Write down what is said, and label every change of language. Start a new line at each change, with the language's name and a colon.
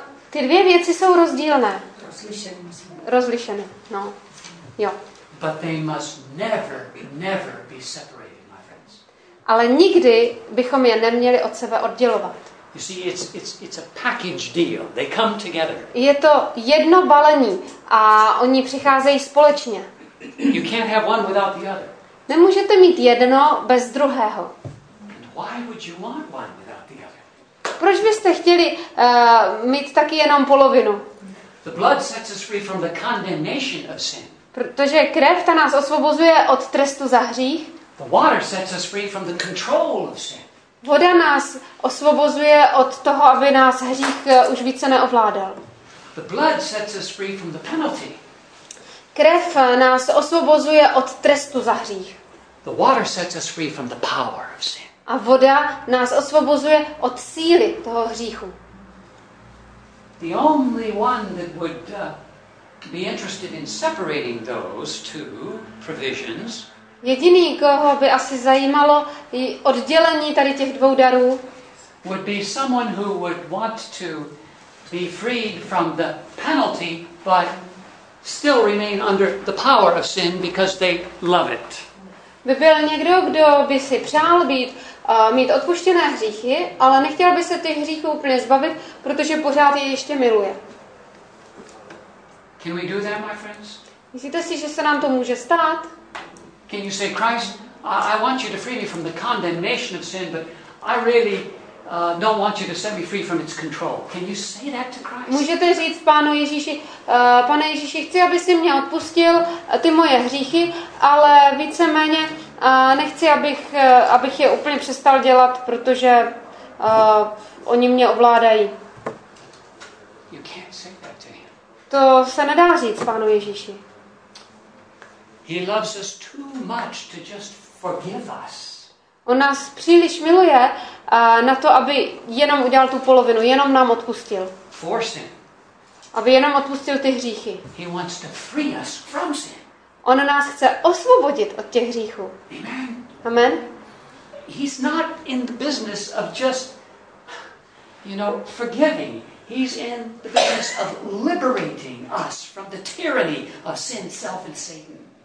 Czech: Ty dvě věci jsou rozdílné. Rozlišené. No. Jo.
English: But they must never be separated.
Czech: Ale nikdy bychom je neměli od sebe oddělovat.
English: You see, it's a package deal. They come together.
Czech: Je to jedno balení a oni přicházejí společně.
English: You can't have one without the other.
Czech: Nemůžete mít jedno bez druhého.
English: And why would you want one without the other?
Czech: Proč byste chtěli mít taky jenom polovinu?
English: The blood sets us free from the condemnation of sin.
Czech: Protože krev ta nás osvobozuje od trestu za hřích.
English: The water sets us free from the control of sin.
Czech: Voda nás osvobozuje od toho, aby nás hřích už více neovládal.
English: The blood sets us free from the penalty.
Czech: Krev nás osvobozuje od trestu za hřích.
English: The water sets us free from the power of sin.
Czech: A voda nás osvobozuje od síly toho hříchu.
English: The only one that would be interested in separating those two provisions.
Czech: Jediný, koho by asi zajímalo i oddělení tady těch dvou darů,
English: would be someone who would want to be freed from the penalty but still remain under the power of sin because they love it.
Czech: By byl někdo, kdo by si přál být mít odpuštěné hříchy, ale nechtěl by se těch hříchů úplně zbavit, protože pořád je ještě miluje.
English: Can we do that, my friends?
Czech: Myslíte si, že se nám to může stát?
English: Can you say, Christ, I want you to free me from the condemnation of sin, but I really don't want you to set me free from its control. Can you say that to Christ?
Czech: Můžete říct Pánu Ježíši, Pane Ježíši, chci, aby si mě odpustil ty moje hříchy, ale víceméně nechci, abych je úplně přestal dělat, protože oni mě ovládají.
English: You can't say that to him.
Czech: To se nedá říct Pánu Ježíši.
English: He loves us too much to just forgive us.
Czech: On nás příliš miluje na to, aby jenom udělal tu polovinu, jenom nám odpustil.
English: For sin.
Czech: Aby jenom odpustil ty hříchy.
English: He wants to free us from sin.
Czech: On nás chce osvobodit od těch hříchů. Amen. Amen.
English: He's not in the business of just, you know, forgiving. He's in the business of liberating us from the tyranny of sin, self and Satan.